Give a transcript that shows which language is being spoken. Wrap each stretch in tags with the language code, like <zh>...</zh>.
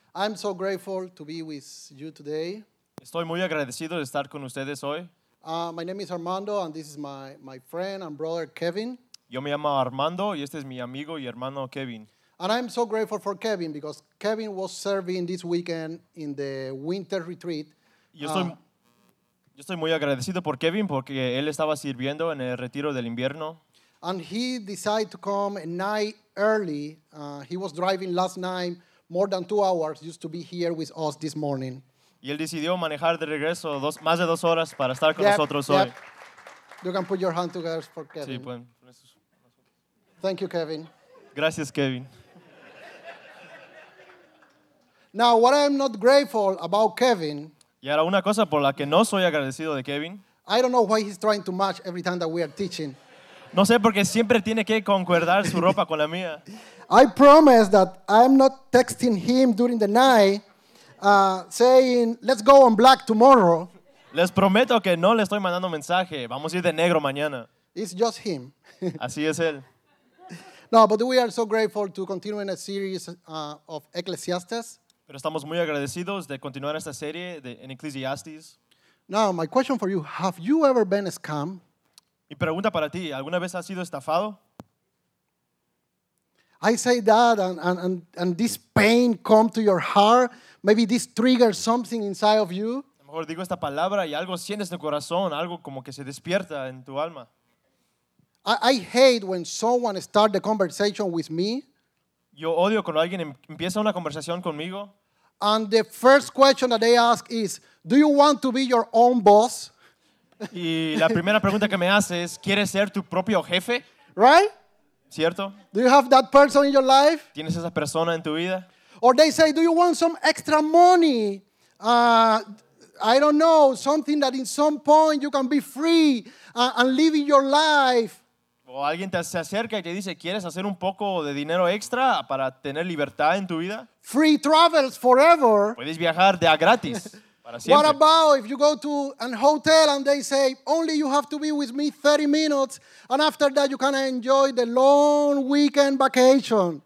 <en>I'm so grateful to be with you today.</en> <es>Estoy muy agradecido de estar con ustedes hoy.</es> <en>My name is Armando and this is my friend and brother Kevin.</en> <es>Yo me llamo Armando y este es mi amigo y hermano Kevin.</es> <en>And I'm so grateful for Kevin because Kevin was serving this weekend in the winter retreat.</en> <es>Yo estoy muy agradecido por Kevin porque él estaba sirviendo en el retiro del invierno.</es> <en>And he decided to come a night early. He was driving last night more than 2 hours just to be here with us this morning.</en> <es>Y él decidió manejar de regreso más de dos horas para estar con nosotros hoy.</es> <en>You can put your hand together for Kevin.</en> <es>Sí, pueden.</es> <en>Thank you, Kevin.</en> <es>Gracias, Kevin.</es> <en>Now, what I'm not grateful about Kevin.</en> <es>Y ahora una cosa por la que no soy agradecido de Kevin.</es> <en>I don't know why he's trying to match every time that we are teaching.</en> <es>No sé por qué siempre tiene que concordar su ropa con la mía.</es> <en>I promise that I'm not texting him during the night, saying, "Let's go on black tomorrow."</en> <es>Les prometo que no le estoy mandando mensaje. Vamos a ir de negro mañana.</es> <en>It's just him.</en> <es>Así es él.</es> <en>No, but we are so grateful to continue in a series of Ecclesiastes.</en> <es>Pero estamos muy agradecidos de continuar esta serie en Ecclesiastes.</es> <en>Now, my question for you, have you ever been scammed?</en> <es>Mi pregunta para ti, ¿alguna vez has sido estafado?</es> <en>I say that and this pain come to your heart, maybe this triggers something inside of you.</en> <es>A lo mejor digo esta palabra y algo sientes en tu corazón, algo como que se despierta en tu alma.</es> <en>I hate when someone starts the conversation with me.</en> <es>Yo odio cuando alguien empieza una conversación conmigo.</es> <en>And the first question that they ask is, "Do you want to be your own boss?"</en> <es>Y la primera pregunta que me hace es, ¿quieres ser tu propio jefe?</es> <en>Right?</en> <es>¿Cierto?</es> <en>Do you have that person in your life?</en> <es>¿Tienes esa persona en tu vida?</es> <en>Or they say, "Do you want some extra money? I don't know, something that in some point you can be free and living your life."</en> <es>O alguien te se acerca y te dice, ¿quieres hacer un poco de dinero extra para tener libertad en tu vida?</es> <en>Free travels forever.</en> <es>Puedes viajar de a gratis para siempre.</es> <en>What about if you go to a hotel and they say, "Only you have to be with me 30 minutes and after that you can enjoy the long weekend vacation."</en>